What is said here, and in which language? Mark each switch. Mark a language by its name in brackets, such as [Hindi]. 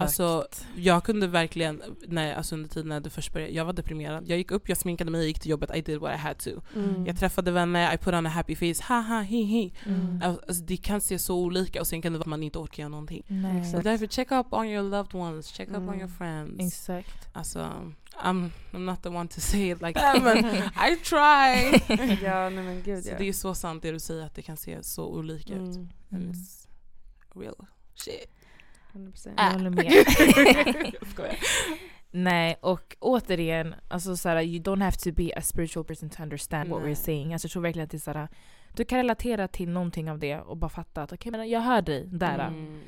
[Swedish] Alltså, jag kunde verkligen, nej, alltså under tiden när du först började, jag var deprimerad. Jag gick upp, jag sminkade mig, gick till jobbet. [English] I did what I had to. Mm. [Swedish] Jag träffade vänner, [English] I put on a happy face. [Swedish] Haha, hehe. Alltså, det kan se så olika och sen kan det vara att man inte orkar göra någonting. Nej. Så därför, [English] check up on your loved ones. Check up on your friends. [Swedish] Exakt. Alltså, [English] I'm not the one to say it like that, but I try. [Swedish] Ja, nej, men gud, så ja. Det är så sant det du säger, att det kan se så olika ut. [English] And it's real shit. 100%. [Swedish] Jag håller med. Nej, och återigen, alltså, såhär, [English] you don't have to be a spiritual person to understand what we're saying. [Swedish] Alltså, jag tror verkligen att det är såhär, du kan relatera till någonting av det och bara fatta att okej, men jag hör dig där.